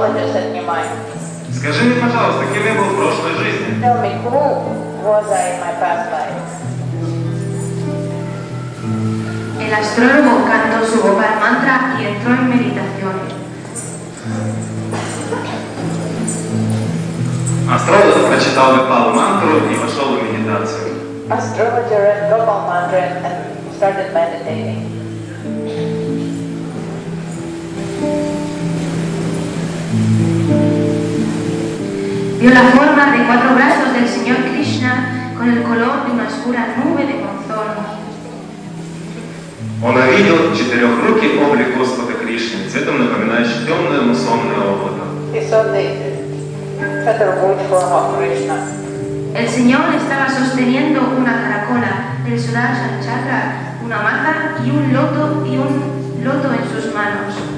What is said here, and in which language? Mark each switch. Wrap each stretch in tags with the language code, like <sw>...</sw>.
<ru>Скажи мне, пожалуйста, кем я был в прошлой жизни?</ru> <en>Tell me, who was I in my past life?</en> <es>El astrólogo cantó su Gopal mantra y entró en meditación.</es> <ru>Астролог прочитал Гопал мантру и вошел в медитацию.</ru> <en>Astrologer read Gopal mantra and started meditating.</en> <es>Vio la forma de cuatro brazos del señor Krishna con el color de una oscura nube de monzón.</es> <ru>Он увидел четырехрукий облик Господа Кришны, цветом напоминающий темное муссонное облако.</ru> <es>El señor estaba sosteniendo una caracola del Sudarshan Chakra, una maza y un loto en sus manos.</es>